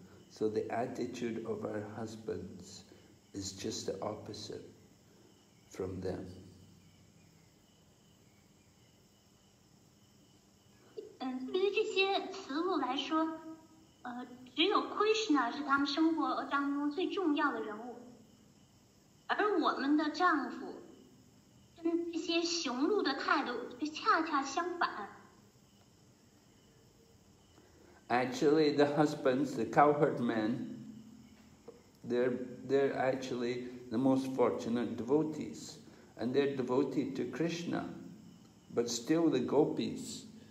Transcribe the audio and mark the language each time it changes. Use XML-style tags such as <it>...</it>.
<en>So the attitude of our husbands is just the opposite from them.</en> <zh>对于这些雌鹿来说，只有 Krishna 是他们生活当中最重要的人物，而我们的丈夫跟这些雄鹿的态度却恰恰相反。</zh> <en>Actually, the husbands, the cowherd men, they're actually the most fortunate devotees, and they're devoted to Krishna, but still the gopis.</en>